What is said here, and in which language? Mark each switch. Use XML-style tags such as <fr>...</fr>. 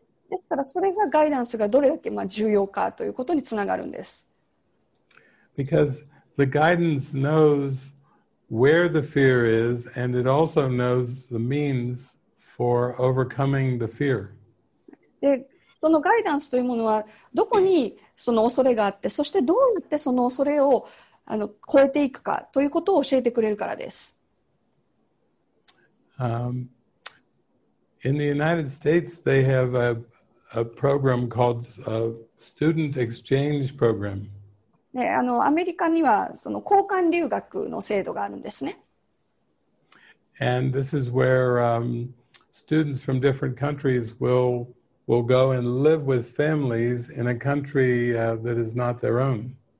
<ja>ですからそれがガイダンスがどれだけ重要かということにつながるんです。</ja> <en>Because the guidance knows where the fear is and it also knows the means for overcoming the fear.</en> <ja>で、そのガイダンスというものはどこにその恐れがあって、そしてどうやってその恐れを超えていくかということを教えてくれるからです。</ja> <en>In the United States, they have a program called a student exchange program.</en> <ja>アメリカにはその交換留学の制度があるんですね。</ja> <en>And this is where students from different countries will go and live with families in a country that is not their own.</en>